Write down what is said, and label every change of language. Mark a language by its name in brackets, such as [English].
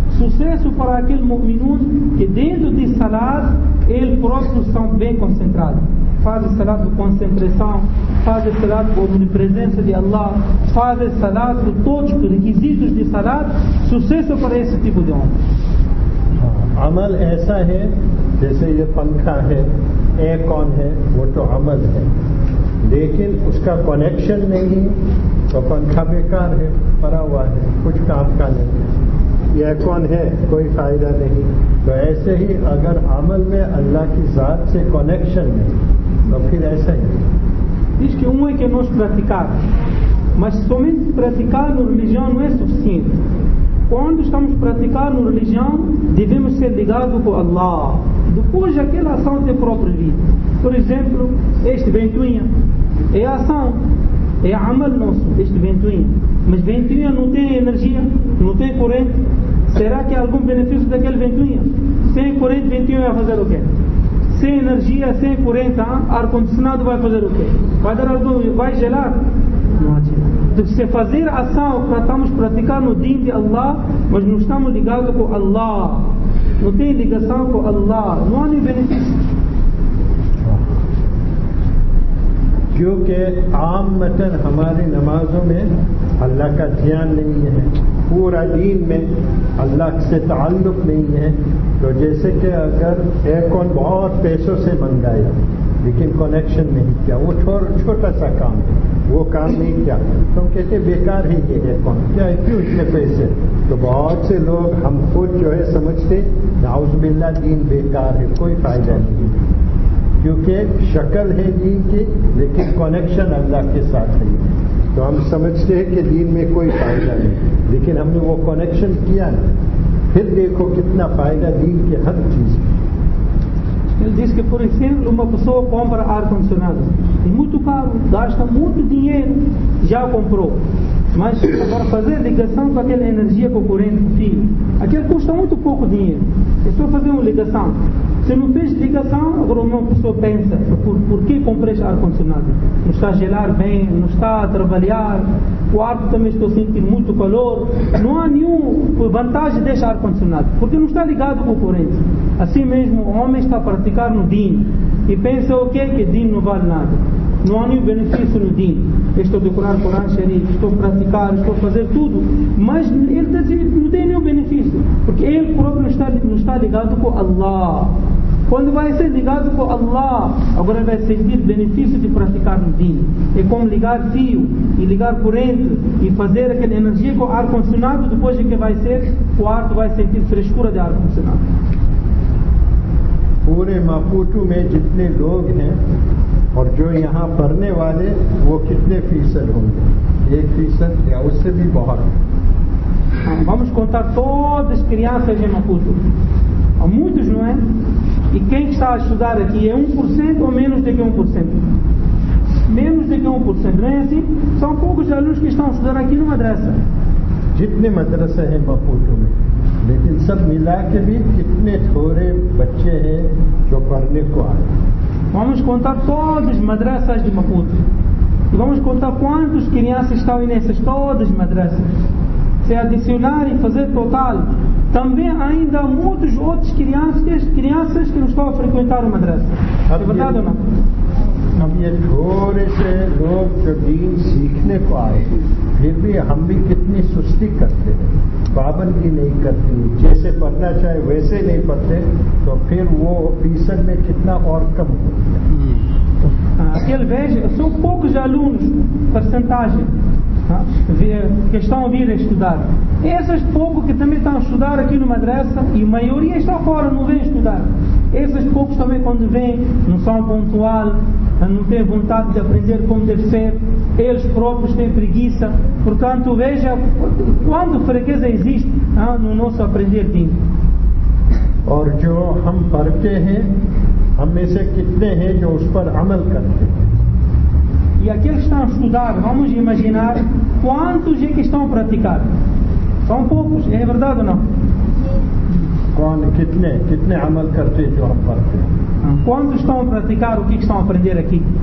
[Portuguese] Sucesso para aquele mu'minun que dentro de salat ele próprio são bem concentrados. Faz salat de concentração, faz salat com a presença de Allah, faz salat com todos os requisitos de salat. Sucesso para esse tipo de homem. [Urdu] عمل ایسا ہے جیسے یہ پنکھا ہے, year کون ہے, وہ تو عمل ہے, لیکن اس کا کنیکشن نہیں تو پنکھا بیکار ہے, پڑا ہوا ہے, کچھ کام کا نہیں. ایئر کون ہے, کوئی فائدہ نہیں. تو ایسے ہی اگر عمل میں اللہ کی ذات سے کنیکشن نہیں تو پھر ایسا ہی اس کی عمر کے نوش پرتکار. [Portuguese] Mas somente praticar no religião não é suficiente. Quando estamos praticando religião, devemos ser ligados com Allah. Depois, aquela ação tem próprio vida. Por exemplo, este ventoinha é ação, é amal nosso, este ventoinha. Mas ventoinha não tem energia, não tem corrente. Será que há algum benefício daquele ventoinha? Sem corrente, ventoinha vai fazer o quê? Sem energia, sem corrente, ar-condicionado vai fazer o quê? Vai dar algum, vai gelar? Se fazer ação, estamos praticando o din de Allah, mas não estamos ligados com Allah, não tem ligação com Allah, não há nenhum benefício. Porque, [Urdu] عام متن, ہماری نمازوں میں اللہ کا دھیان نہیں ہے, پورا دین میں اللہ سے تعلق نہیں ہے. تو جیسے کہ اگر ایکون بہت پیسوں سے منگایا لیکن کنیکشن نہیں کیا, وہ چھوٹا سا کام ہے, وہ کام نہیں کیا, تو ہم کہتے بیکار ہی ہے کون کیا ہے کیوں اس میں پیسے. تو بہت سے لوگ ہم خود جو ہے سمجھتے نعوذ باللہ دین بیکار ہے, کوئی فائدہ نہیں, کیونکہ شکل ہے دین کی لیکن کنیکشن اللہ کے ساتھ نہیں. تو ہم سمجھتے ہیں کہ دین میں کوئی فائدہ نہیں, لیکن ہم نے وہ کنیکشن کیا نا, پھر دیکھو کتنا فائدہ دین کے ہر چیز. [Portuguese] Ele diz que, por exemplo, uma pessoa compra ar-condicionado. É muito caro, gasta muito dinheiro, já comprou. Mas para fazer ligação com aquela energia concorrente, filho, aquilo custa muito pouco dinheiro. É só fazer uma ligação. Se não fez ligação, agora uma pessoa pensa, por que comprei esse ar-condicionado? Não está a gelar bem, não está a trabalhar, o ar também estou sentindo muito calor. Não há nenhuma vantagem deste ar-condicionado, porque não está ligado com o corrente. Assim mesmo, o homem está a praticar no din e pensa o quê? Que din não vale nada. Não há nenhum benefício no din. Estou a decorar o Corão Sharif, estou a praticar, estou a fazer tudo. Mas ele diz que não tem nenhum benefício. Porque ele próprio não está ligado com Allah. Quando vai ser ligado com Allah, agora vai sentir benefício de praticar no din. É como ligar fio e ligar corrente e fazer aquela energia com ar condicionado. Depois de que vai ser, o ar vai sentir frescura de ar condicionado. [Urdu] پورے ماپوٹو میں جتنے لوگ ہیں اور جو یہاں پڑھنے والے وہ کتنے فیصد ہوں گے؟ ایک فیصد یا اس سے بھی بہت. [Portuguese] Vamos contar todas as crianças de Maputo. Há muitos, não é? E quem está a estudar aqui é 1% ou menos do que 1%? Menos do que 1%, não é assim? São poucos alunos que estão a estudar aqui numa madrasa. [Urdu] جتنے مدرسے ہیں مپوٹو میں, لیکن سب ملا کے بھی کتنے تھوڑے بچے ہیں جو پڑھنے کو آئے. [Portuguese] Vamos contar todos os madrasas de Maputo. E vamos contar quantos crianças estão nessas todas as madrasas. Se adicionar e fazer total, também ainda há muitos outros crianças que não estão a frequentar a madrasa. É verdade ou não? [Urdu] ہم یہ تھوڑے سے لوگ جو دین سیکھنے کو آئے پھر بھی ہم بھی کتنی سستی کرتے ہیں, پابندی نہیں کرتے, جیسے پڑھنا چاہے ویسے نہیں پڑھتے, تو پھر وہ فیصد میں کتنا اور کم ہو [Portuguese] سو پوکس الونس پرسنٹاج que estão a vir a estudar. Essas poucos que também estão a estudar aqui no madrasa, e a maioria está fora, não vem estudar. Essas poucos também quando vêm, não são pontual, não têm vontade de aprender como deve ser, eles próprios têm preguiça. Portanto, veja quanto fraqueza existe no nosso aprender dinho. [Urdu] اور جو ہم پڑھتے ہیں ہم میں سے کتنے ہیں جو اس پر عمل کرتے ہیں. [Portuguese] E aqueles que estão a estudar, vamos imaginar quantos é que estão a praticar. São poucos, é verdade ou não? Quantos estão a praticar o que estão a aprender aqui?